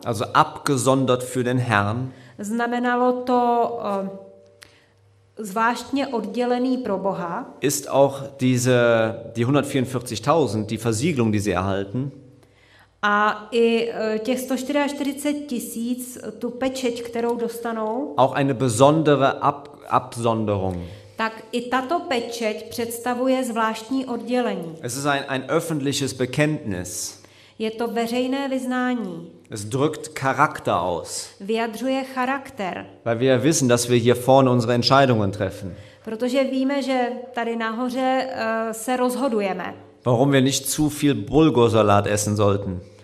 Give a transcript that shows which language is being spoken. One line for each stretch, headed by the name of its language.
German: Also abgesondert für den Herrn.
Czech: Znamenalo to zvláštně oddělený pro Boha.
German: Ist auch diese die 144.000 die Versiegelung, die sie erhalten.
Czech: A i těch 144.000 tu pečeť, kterou dostanou.
German: Auch eine besondere Absonderung.
Czech: Tak i tato pečeť představuje zvláštní oddělení.
German: Es ist ein öffentliches Bekenntnis.
Czech: Je to veřejné vyznání.
German: Es drückt Charakter aus.
Czech: Vyjadřuje charakter.
German: Weil wir wissen, dass wir hier vorne unsere Entscheidungen treffen.
Czech: Protože víme, že tady nahoře se rozhodujeme.
German: Warum wir nicht zu viel Bulgursalat essen sollten.